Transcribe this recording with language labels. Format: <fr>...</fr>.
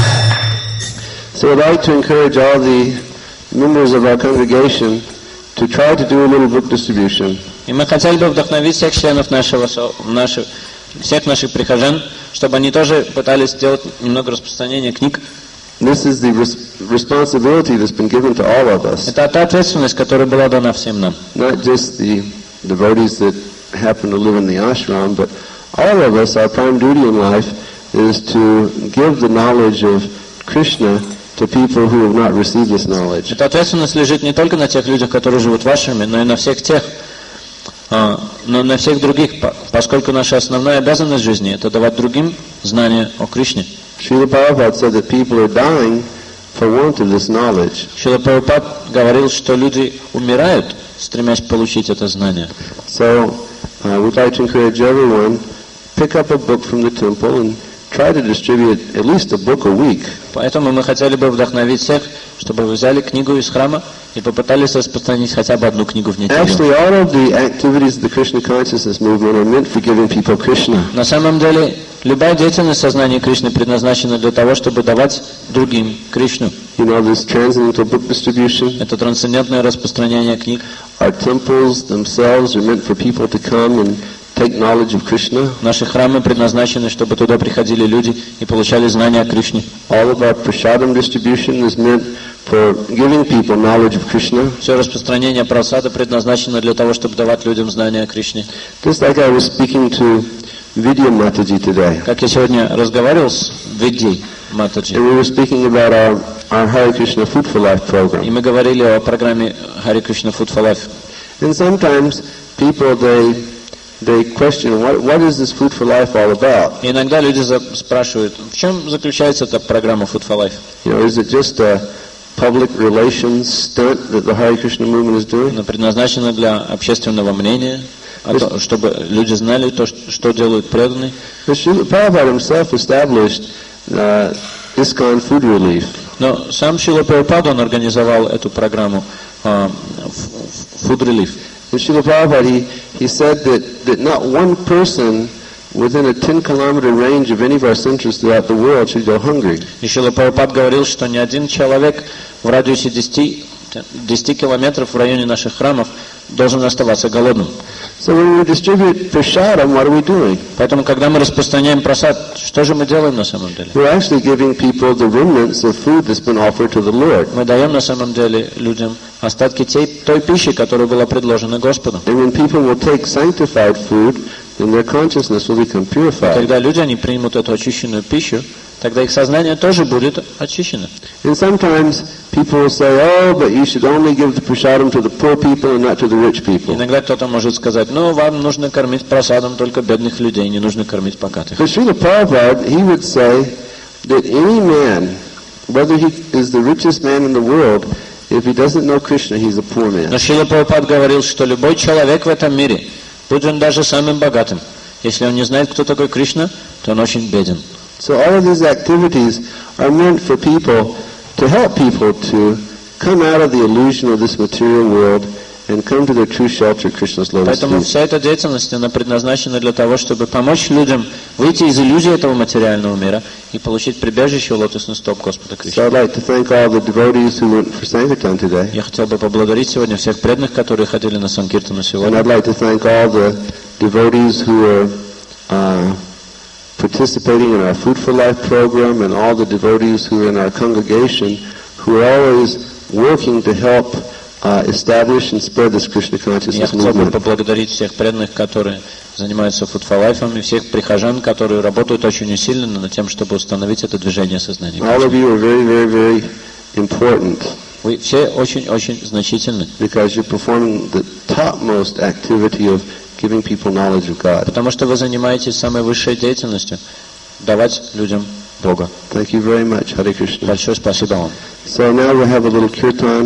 <en>Прабхупаде. So I'd like to encourage all the members of our congregation to try to do a little book distribution.</en> <ru>И мы хотели бы вдохновить всех членов нашего всех наших прихожан, чтобы они тоже пытались сделать немного распространения книг.</ru> <en>This is the responsibility that's been given to all of us.</en> <ru>Это та ответственность, которая была дана всем нам.</ru> <en>Not just the devotees that happen to live in the ashram, but all of us, our prime duty in life is to give the knowledge of Krishna to people who have not received this knowledge.</en> <ru>Эта ответственность лежит не только на тех людях, которые живут в ашраме, но и на всех тех, но на всех других, поскольку наша основная обязанность в жизни — это давать другим знания о Кришне.</ru> <en>Srila Prabhupada said that people are dying for want of this knowledge.</en> <ru>Srila Prabhupada говорил, что люди умирают, стремясь получить это знание.</ru> <en>So, we'd like to encourage everyone pick up a book from the temple and try to distribute at least a book a week.</en> <ru>Поэтому мы хотели бы вдохновить всех, чтобы вы взяли книгу из храма и попытались распространить хотя бы одну книгу в неделю.</ru> <en>Actually, all of the activities of the Krishna consciousness movement are meant for giving people Krishna.</en> <ru>На самом деле, любая деятельность сознания Кришны предназначена для того, чтобы давать другим Кришну.</ru> <en>You know, this transcendental book distribution.</en> <ru>Это трансцендентное распространение книг.</ru> <en>Our temples themselves are meant for people to come and take knowledge of Krishna.</en> <ru>Наши храмы предназначены, чтобы туда приходили люди и получали знания о Кришне.</ru> <en>All of our prasadam distribution is meant for giving people knowledge of Krishna.</en> <ru>Все распространение прасада предназначено для того, чтобы давать людям знания о Кришне.</ru> <en>Just like I was speaking to Vidya Mataji today.</en> <ru>Как я сегодня разговаривал с Видьей Матаджи.</ru> <en>We were speaking about our Hare Krishna Food for Life program.</en> <ru>И мы говорили о программе Hare Krishna Food for Life.</ru> <en>And sometimes people they question what is this Food for Life all about?</en> <ru>Иногда люди спрашивают, в чем заключается эта программа Food for Life?</ru> <en>You know, is it just a public relations stunt that the Hare Krishna movement is doing?</en> <ru>Она предназначена для общественного мнения. Чтобы люди знали то, что делают преданные.</ru> <en>Srila Prabhupada himself established ISKCON food relief.</en> <ru>Но сам Srila Prabhupada организовал эту программу</ru> <en>food relief. Srila Prabhupada he said that not one person within a 10-kilometer range of any of our centers throughout the world should go hungry.</en> <ru>Srila Prabhupada говорил, что ни один человек в радиусе 10 километров в районе наших храмов должен оставаться голодным.</ru> <en>So when we distribute prasadam, what are we doing?</en> <ru>Поэтому, когда мы распространяем прасад, что же мы делаем на самом деле?</ru> <en>We're actually giving people the remnants of food that's been offered to the Lord.</en> <ru>Мы даем на самом деле людям остатки той пищи, которая была предложена Господу.</ru> <en>And when people will take sanctified food, then their consciousness will become purified.</en> <ru>Когда люди они примут эту очищенную пищу, тогда их сознание тоже будет очищено.</ru> <en>And sometimes people say, "Oh, but you should only give the prasadam to the poor people and not to the rich people."</en> <ru>Иногда кто-то может сказать, "Ну, вам нужно кормить прасадом только бедных людей, не нужно кормить богатых."</ru> <en>Srila Prabhupada, he would say that any man, whether he is the richest man in the world, if he doesn't know Krishna, he's a poor man.</en> <ru>Но Srila Prabhupada говорил, что любой человек в этом мире, будь он даже самым богатым, если он не знает, кто такой Кришна, то он очень беден.</ru> <en>So all of these activities are meant for people to help people to come out of the illusion of this material world and come to their true shelter, Krishna's lotus feet.</en> <ru>Поэтому вся эта деятельность она предназначена для того, чтобы помочь людям выйти из иллюзии этого материального мира и получить прибежище у лотосных стоп Господа Кришны.</ru> <en>So I'd like to thank all the devotees who went for sankirtan today.</en> <ru>Я хотел бы поблагодарить сегодня всех преданных, которые ходили на санкиртану сегодня.</ru> <en>And I'd like to thank all the devotees who were participating in our Food for Life program and all the devotees who are in our congregation who are always working to help establish and spread this Krishna consciousness movement.</en> <ru>Я хотел бы поблагодарить всех преданных, которые занимаются Food for Life, и всех прихожан, которые работают очень усиленно над тем, чтобы установить это движение сознания.</ru> <en>All of you are very, very, very important.</en> <ru>Вы все очень-очень значительны.</ru> <en>Because you're performing the topmost activity of giving people knowledge of God.</en> <ru>Потому что вы занимаетесь самой высшей деятельностью давать людям Бога.</ru> <en>Thank you very much, Hare Krishna.</en> <ru>Большое спасибо вам.</ru> <en>So now we have a little kirtan.</en>